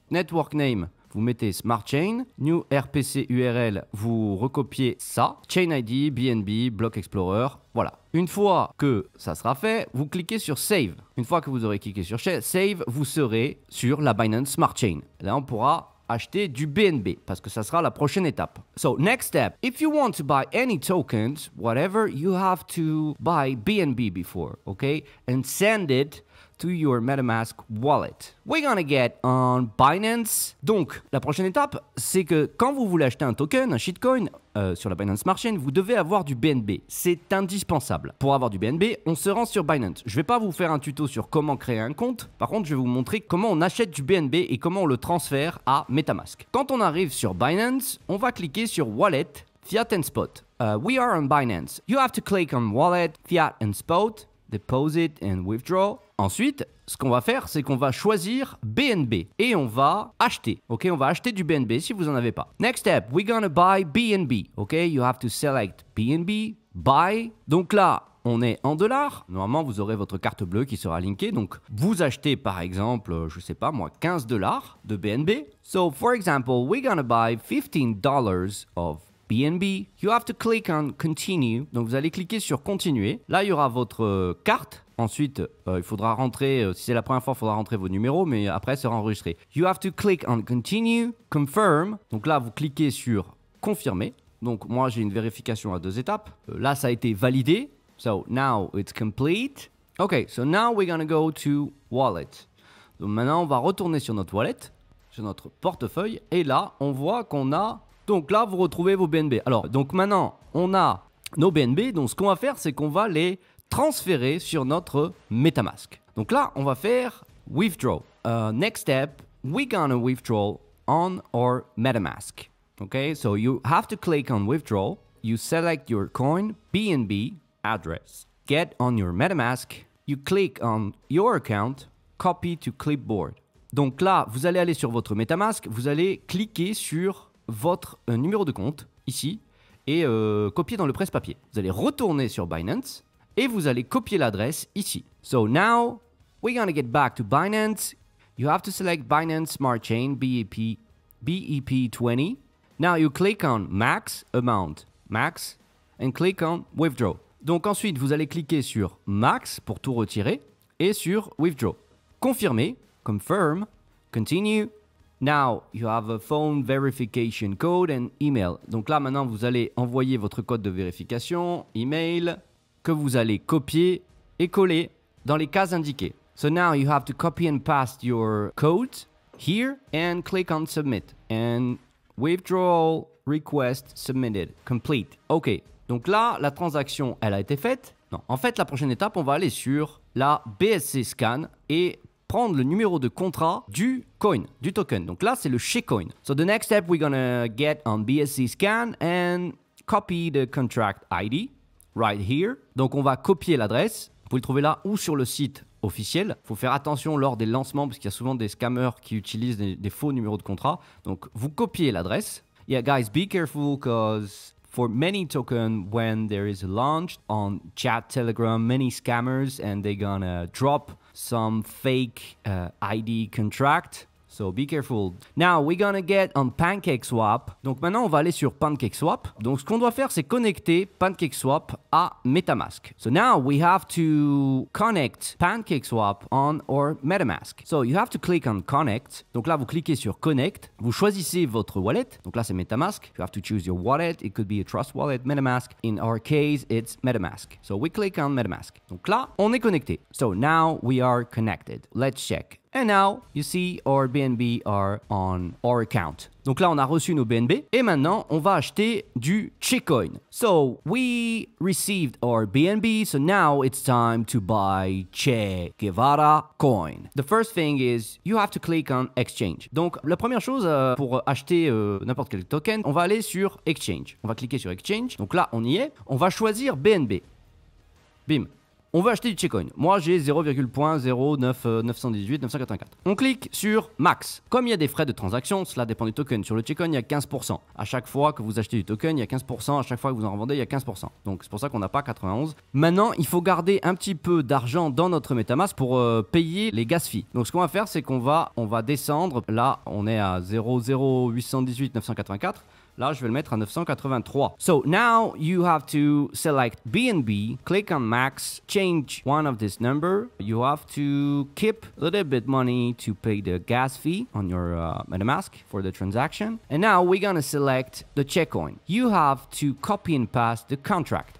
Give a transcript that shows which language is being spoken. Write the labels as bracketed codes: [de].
[fr] Network Name, vous mettez Smart Chain. New RPC URL, vous recopiez ça. Chain ID, BNB, Block Explorer, voilà. Une fois que ça sera fait, vous cliquez sur Save. Une fois que vous aurez cliqué sur Save, vous serez sur la Binance Smart Chain. Là, on pourra acheter du BNB parce que ça sera la prochaine étape. [en] So, next step. If you want to buy any tokens, whatever, you have to buy BNB before, okay? And send it to your MetaMask wallet. We're gonna get on Binance. [fr] Donc, la prochaine étape, c'est que quand vous voulez acheter un token, un shitcoin, sur la Binance Smart Chain, vous devez avoir du BNB. C'est indispensable. Pour avoir du BNB, on se rend sur Binance. Je vais pas vous faire un tuto sur comment créer un compte. Par contre, je vais vous montrer comment on achète du BNB et comment on le transfère à MetaMask. Quand on arrive sur Binance, on va cliquer sur Wallet, Fiat and Spot. [en] We are on Binance. You have to click on Wallet, Fiat and Spot, Deposit and Withdraw. [fr] Ensuite, ce qu'on va faire, c'est qu'on va choisir BNB et on va acheter. Ok, on va acheter du BNB si vous en avez pas. [en] Next step, we're gonna buy BNB. Ok, you have to select BNB, buy. [fr] Donc là, on est en dollars. Normalement, vous aurez votre carte bleue qui sera linkée. Donc, vous achetez par exemple, je sais pas moi, 15 dollars de BNB. [en] So, for example, we're gonna buy $15 of BNB. You have to click on continue. [fr] Donc, vous allez cliquer sur continuer. Là, il y aura votre carte. Ensuite, il faudra rentrer, si c'est la première fois, il faudra rentrer vos numéros, mais après, sera enregistré. [en] You have to click on continue, confirm. [fr] Donc là, vous cliquez sur confirmer. Donc moi, j'ai une vérification à deux étapes. Là, ça a été validé. [en] So now it's complete. OK, so now we're going to go to wallet. [fr] Donc maintenant, on va retourner sur notre wallet, sur notre portefeuille. Et là, on voit qu'on a... Donc là, vous retrouvez vos BNB. Alors, donc maintenant, on a nos BNB. Donc ce qu'on va faire, c'est qu'on va les... transférer sur notre MetaMask. Donc là, on va faire [en] withdraw. Next step, we're gonna withdraw on our MetaMask. Okay, so you have to click on withdraw. You select your coin, BNB, address. Get on your MetaMask. You click on your account, copy to clipboard. [fr] Donc là, vous allez aller sur votre MetaMask. Vous allez cliquer sur votre numéro de compte ici et copier dans le presse-papier. Vous allez retourner sur Binance. Et vous allez copier l'adresse ici. [en] So now, we're gonna get back to Binance. You have to select Binance Smart Chain, BEP20. Now you click on Max Amount, Max, and click on Withdraw. [fr] Donc ensuite, vous allez cliquer sur Max pour tout retirer, et sur Withdraw. Confirmer, Confirm, Continue. [en] Now you have a phone verification code and email. [fr] Donc là, maintenant, vous allez envoyer votre code de vérification, email, que vous allez copier et coller dans les cases indiquées. [en] So now you have to copy and paste your code here and click on submit. And withdrawal request submitted. Complete. OK. [fr] Donc là, la transaction, elle a été faite. Non. En fait, la prochaine étape, on va aller sur la BSC scan et prendre le numéro de contrat du coin, du token. Donc là, c'est le Checoin. [en] So the next step, we're gonna get on BSC scan and copy the contract ID. Right here. [fr] Donc, on va copier l'adresse. Vous pouvez le trouver là ou sur le site officiel. Il faut faire attention lors des lancements parce qu'il y a souvent des scammers qui utilisent des faux numéros de contrat. Donc, vous copiez l'adresse. [en] Yeah, guys, be careful because for many tokens, when there is a launch on chat, Telegram, many scammers and they're gonna drop some fake ID contract. So be careful. Now we're gonna get on Pancakeswap. [fr] Donc maintenant on va aller sur Pancakeswap. Donc ce qu'on doit faire c'est connecter Pancakeswap à MetaMask. [en] So now we have to connect Pancakeswap on our MetaMask. So you have to click on connect. [fr] Donc là vous cliquez sur connect. Vous choisissez votre wallet. Donc là c'est MetaMask. [en] You have to choose your wallet. It could be a trust wallet, MetaMask. In our case it's MetaMask. So we click on MetaMask. [fr] Donc là on est connecté. [en] So now we are connected. Let's check. And now, you see our BNB are on our account. [fr] Donc là, on a reçu nos BNB. Et maintenant, on va acheter du Checoin. [en] So, we received our BNB. So now, it's time to buy Che Guevara coin. The first thing is, you have to click on exchange. [fr] Donc, la première chose pour acheter n'importe quel token, on va aller sur exchange. On va cliquer sur exchange. Donc là, on y est. On va choisir BNB. Bim. On veut acheter du Checoin. Moi, j'ai 0,09918984. On clique sur Max. Comme il y a des frais de transaction, cela dépend du token. Sur le Checoin, il y a 15%. À chaque fois que vous achetez du token, il y a 15%. À chaque fois que vous en revendez, il y a 15%. Donc, c'est pour ça qu'on n'a pas 91. Maintenant, il faut garder un petit peu d'argent dans notre MetaMask pour payer les gas fees. Donc, ce qu'on va faire, c'est qu'on va descendre. Là, on est à 0,08819984. Là, je vais le mettre à 983. [en] So now you have to select BNB, click on max, change one of this number. You have to keep a little bit money to pay the gas fee on your MetaMask for the transaction. And now we're gonna select the Checoin. You have to copy and paste the contract.